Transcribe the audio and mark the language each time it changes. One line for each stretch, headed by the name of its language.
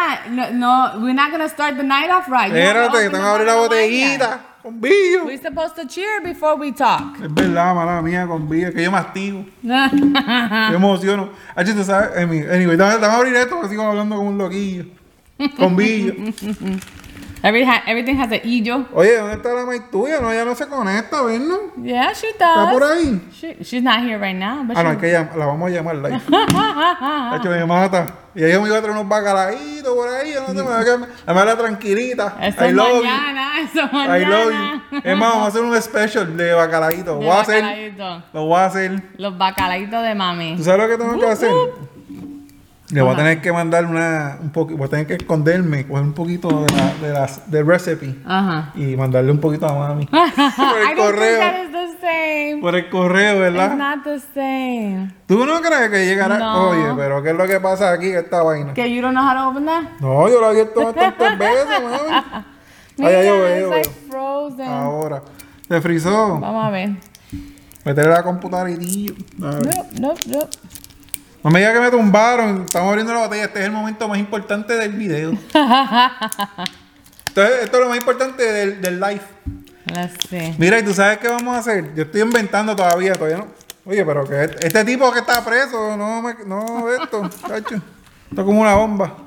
English: No, we're not going to start the night off right.
Spanish: Espérate, que tengo que abrir la botellita con Billo.
English: We're supposed to cheer before we talk.
Spanish: Es verdad, mala mía, con Billo, que yo me activo. Yo emociono. Ay, tú sabes, anyway, te voy a abrir esto porque sigo hablando como un loquillo. Con Billo.
English: Everything has an illo.
Spanish: Oye, ¿dónde está la maíz tuya? No, ella no se conecta, ¿verdad?
English: Yeah, she does.
Spanish: ¿Está por ahí?
English: She's not here right now.
Spanish: But ah, no, es que la vamos a llamar. La hecho, me mata. Y ella me iba a traer unos bacalaitos por ahí. No sé, me va a quedar. Además, la tranquilita. Eso es mañana. Eso es mañana.
English: I love you.
Spanish: Es más, vamos a hacer un special de bacalaitos. Lo voy a hacer. Los bacalaitos de mami. ¿Tú sabes lo que tengo que hacer? Le voy a tener que mandar voy a tener que esconderme, coger un poquito de recipe. Uh-huh. Y mandarle un poquito a mami. Por el correo.
English: I don't think that is the same.
Spanish: Por el correo, ¿verdad?
English: It's not the same.
Spanish: ¿Tú no crees que llegará? No. Oye, ¿pero qué es lo que pasa aquí, esta vaina?
English: ¿Que you don't know how to open that?
Spanish: No, yo lo he abierto tantas veces, mami. Mira, ay, yo,
English: it's like frozen.
Spanish: Ahora. ¿Te frizó? Vamos a ver. Meterle la computadora y tío.
English: Nope.
Spanish: No me diga que me tumbaron. Estamos abriendo la botella. Este es el momento más importante del video. Entonces, esto es lo más importante del live.
English: Let's see.
Spanish: Mira, ¿y tú sabes qué vamos a hacer? Yo estoy inventando todavía no. Oye, pero que este tipo que está preso, esto, cacho. Esto es como una bomba.